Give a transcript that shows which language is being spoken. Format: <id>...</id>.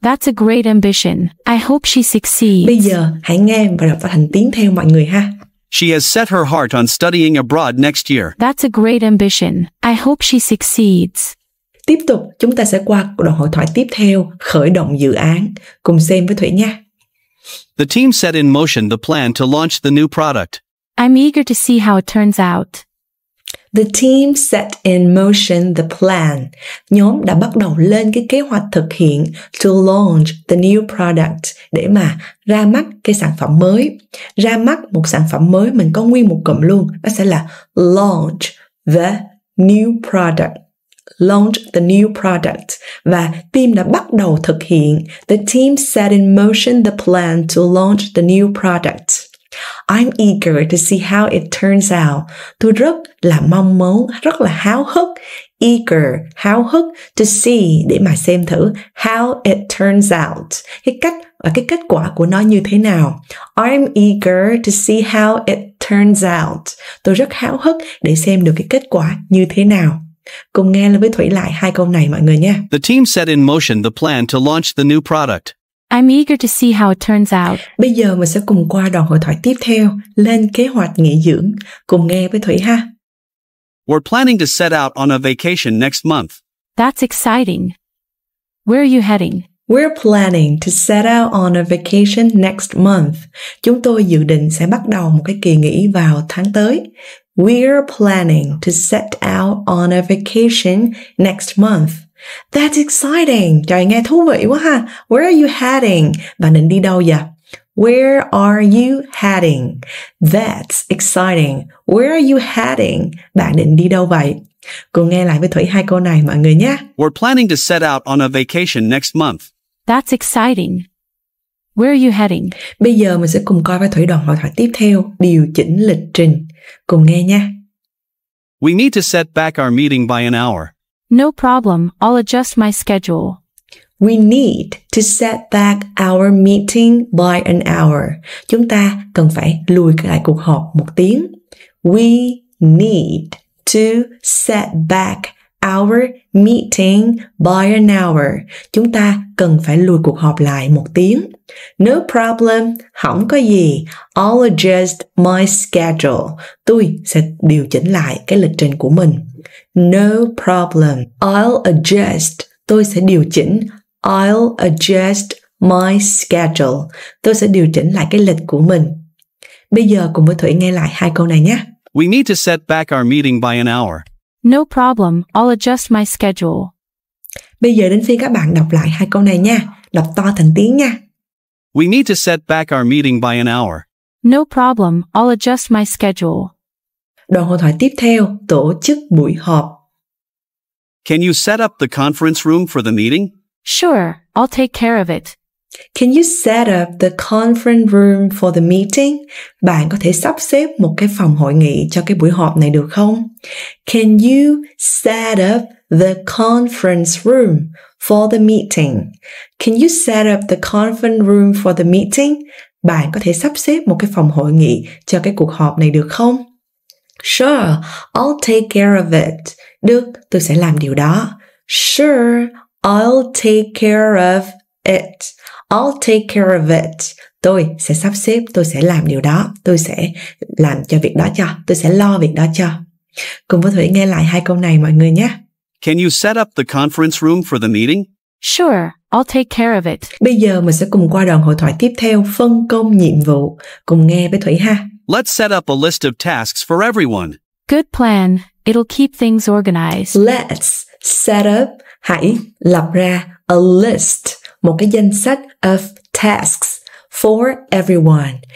<en>That's a great ambition. I hope she succeeds.</en> <vi>Bây giờ hãy nghe và đọc thành tiếng theo mọi người ha.</vi> <en>She has set her heart on studying abroad next year. That's a great ambition. I hope she succeeds.</en> <vi>Tiếp tục, chúng ta sẽ qua đoạn hội thoại tiếp theo, khởi động dự án. Cùng xem với Thủy nha.</vi> <en>The team set in motion the plan to launch the new product. I'm eager to see how it turns out. The team set in motion the plan.</en> <vi>Nhóm đã bắt đầu lên cái kế hoạch thực hiện</vi> <en>to launch the new product,</en> <vi>để mà ra mắt cái sản phẩm mới. Ra mắt một sản phẩm mới, mình có nguyên một cụm luôn. Nó sẽ là</vi> <en>launch the new product. launched the new product,</en> <vi>và team đã bắt đầu thực hiện.</vi> <en>The team set in motion the plan to launch the new product. I'm eager to see how it turns out.</en> <vi>Tôi rất là mong muốn, rất là háo hức. Eager, háo hức, to see, để mà xem thử</vi> <en>how it turns out,</en> <vi>cái cách và cái kết quả của nó như thế nào.</vi> <en>I'm eager to see how it turns out.</en> <vi>Tôi rất háo hức để xem được cái kết quả như thế nào. Cùng nghe với Thủy lại hai câu này mọi người nha.</vi> <en>The team set in motion the plan to launch the new product. I'm eager to see how it turns out.</en> <vi>Bây giờ mình sẽ cùng qua đoạn hội thoại tiếp theo, lên kế hoạch nghỉ dưỡng. Cùng nghe với Thủy ha.</vi> <en>We're planning to set out on a vacation next month. That's exciting. Where are you heading? We're planning to set out on a vacation next month.</en> <vi>Chúng tôi dự định sẽ bắt đầu một cái kỳ nghỉ vào tháng tới.</vi> <en>We're planning to set out on a vacation next month. That's exciting.</en> <vi>Trời nghe thú vị quá ha.</vi> <en>Where are you heading?</en> <vi>Bạn định đi đâu vậy?</vi> <en>Where are you heading? That's exciting. Where are you heading?</en> <vi>Bạn định đi đâu vậy? Cùng nghe lại với Thủy hai câu này mọi người nhé.</vi> <en>We're planning to set out on a vacation next month. That's exciting. Where are you heading?</en> <vi>Bây giờ mình sẽ cùng coi với Thủy đoạn hội thoại tiếp theo, điều chỉnh lịch trình. Cùng nghe nhé.</vi> <en>We need to set back our meeting by an hour. No problem, I'll adjust my schedule. We need to set back our meeting by an hour.</en> <vi>Chúng ta cần phải lùi lại cuộc họp một tiếng.</vi> <en>We need to set back our meeting by an hour.</en> <vi>Chúng ta cần phải lùi cuộc họp lại một tiếng.</vi> <en>No problem,</en> <vi>không có gì.</vi> <en>I'll adjust my schedule.</en> <vi>Tôi sẽ điều chỉnh lại cái lịch trình của mình.</vi> <en>No problem, I'll adjust.</en> <vi>Tôi sẽ điều chỉnh.</vi> <en>I'll adjust my schedule.</en> <vi>Tôi sẽ điều chỉnh lại cái lịch của mình. Bây giờ cùng với Thủy nghe lại hai câu này nhé.</vi> <en>We need to set back our meeting by an hour. No problem, I'll adjust my schedule.</en> <vi>Bây giờ đến phiên các bạn đọc lại hai câu này nha. Đọc to thành tiếng nha.</vi> <en>We need to set back our meeting by an hour. No problem, I'll adjust my schedule.</en> <vi>Đoạn hội thoại tiếp theo, tổ chức buổi họp.</vi> <en>Can you set up the conference room for the meeting? Sure, I'll take care of it. Can you set up the conference room for the meeting?</en> <vi>Bạn có thể sắp xếp một cái phòng hội nghị cho cái buổi họp này được không?</vi> <en>Can you set up the conference room for the meeting? Can you set up the conference room for the meeting?</en> <vi>Bạn có thể sắp xếp một cái phòng hội nghị cho cái cuộc họp này được không?</vi> <en>Sure, I'll take care of it.</en> <vi>Được, tôi sẽ làm điều đó.</vi> <en>Sure, I'll take care of it. I'll take care of it.</en> <vi>Tôi sẽ sắp xếp, tôi sẽ làm điều đó. Tôi sẽ làm cho việc đó cho. Tôi sẽ lo việc đó cho. Cùng với Thủy nghe lại hai câu này mọi người nhé.</vi> <en>Can you set up the conference room for the meeting? Sure, I'll take care of it.</en> <vi>Bây giờ mình sẽ cùng qua đoạn hội thoại tiếp theo, phân công nhiệm vụ. Cùng nghe với Thủy ha.</vi> <en>Let's set up a list of tasks for everyone. Good plan. It'll keep things organized. Let's set up.</en> <vi>Hãy lập ra</vi> <en>a list,</en> <vi>một cái danh sách</vi> <en>of tasks for everyone.</en>